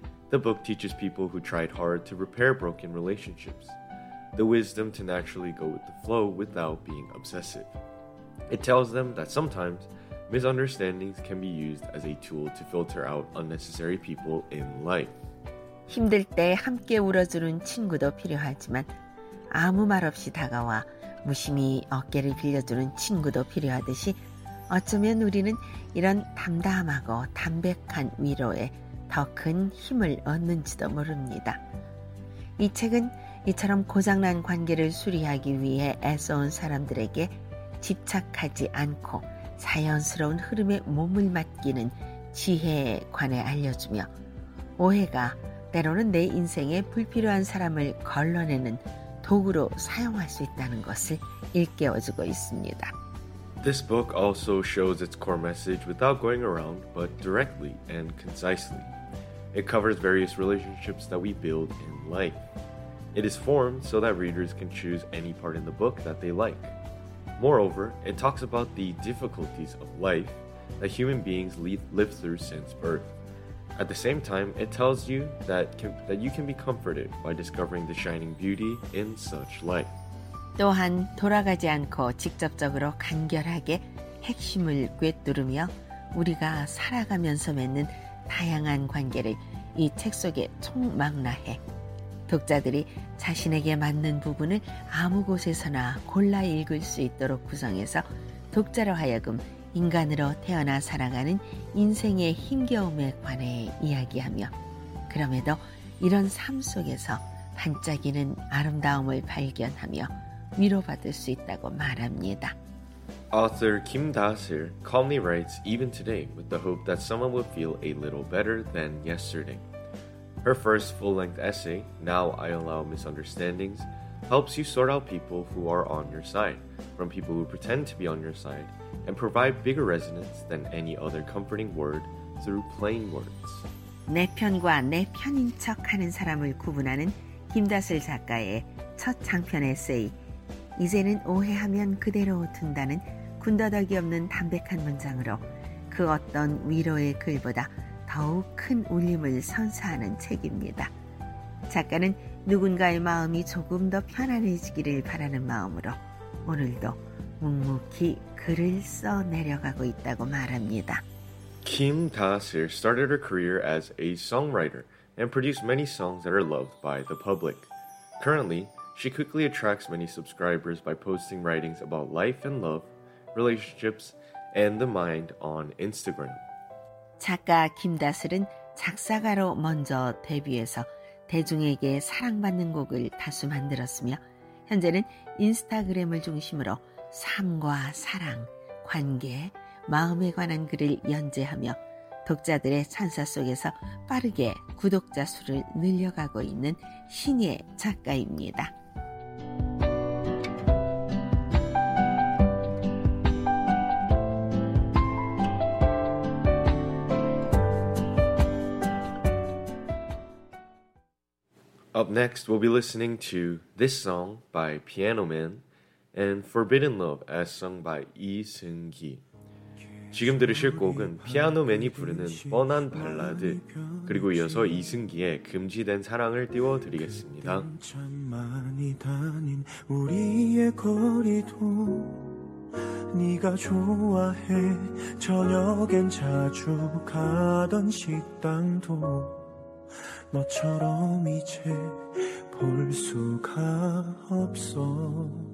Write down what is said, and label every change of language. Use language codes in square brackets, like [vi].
[en] The book teaches people who tried hard to repair broken relationships, the wisdom to naturally go with the flow without being obsessive. It tells them that sometimes misunderstandings can be used as a tool to filter out unnecessary people in life. [ko] 힘들 때 함께 울어주는 친구도 필요하지만 아무 말 없이 다가와 무심히 어깨를 빌려주는 친구도 필요하듯이 어쩌면 우리는 이런 담담하고 담백한 위로에 더 큰 힘을 얻는지도 모릅니다. 이 책은 이처럼 고장난 관계를 수리하기 위해 애써온 사람들에게 집착하지 않고 자연스러운 흐름에 몸을 맡기는 지혜에 관해 알려주며 오해가 때로는 내 인생에 불필요한 사람을 걸러내는 도구로 사용할 수 있다는 것을 일깨워주고 있습니다. [en] This book also shows its core message without going around, but directly and concisely. It covers various relationships that we build in life. It is formed so that readers can choose any part in the book that they like. Moreover, it talks about the difficulties of life that human beings live through since birth. At the same time, it tells you that you can be comforted by discovering the shining beauty in such life. [ko] 또한 돌아가지 않고 직접적으로 간결하게 핵심을 꿰뚫으며 우리가 살아가면서 맺는 다양한 관계를 이 책 속에 총망라해 독자들이 자신에게 맞는 부분을 아무 곳에서나 골라 읽을 수 있도록 구성해서 독자로 하여금 인간으로 태어나 살아가는 인생의 힘겨움에 관해 이야기하며 그럼에도 이런 삶 속에서 반짝이는 아름다움을 발견하며 위로받을 수 있다고 말합니다. [en] Author Kim Da-sil calmly writes even today with the hope that someone would feel a little better than yesterday. Her first full-length essay, Now I Allow Misunderstandings, helps you sort out people who are on your side from people who pretend to be on your side and provide bigger resonance than any other comforting word through plain words. [ko] 내 편과 내 편인 척하는 사람을 구분하는 김다슬 작가의 첫 장편 에세이 이제는 오해하면 그대로 둔다는 군더더기 없는 담백한 문장으로 그 어떤 위로의 글보다 더욱 큰 울림을 선사하는 책입니다. 작가는 누군가의 마음이 조금 더 편안해지기를 바라는 마음으로 오늘도 묵묵히 글을 써 내려가고 있다고 말합니다. [en] Kim Da-sil started her career as a songwriter and produced many songs that are loved by the public. Currently, she quickly attracts many subscribers by posting writings about life and love, relationships, and the mind on Instagram. [ko] 작가 김다슬은 작사가로 먼저 데뷔해서 대중에게 사랑받는 곡을 다수 만들었으며 현재는 인스타그램을 중심으로 삶과 사랑, 관계, 마음에 관한 글을 연재하며 독자들의 찬사 속에서 빠르게 구독자 수를 늘려가고 있는 신예 작가입니다. [en] Up next, we'll be listening to This Song by Piano Man and Forbidden Love as sung by Lee Seung-gi. [ko] 지금 들으실 곡은 피아노 맨이 부르는 뻔한 발라드 그리고 이어서 이승기의 금지된 사랑을 띄워드리겠습니다. 많이 다닌 우리의 거리도 네가 좋아해 저녁엔 자주 가던 식당도 너처럼 이제 볼 수가 없어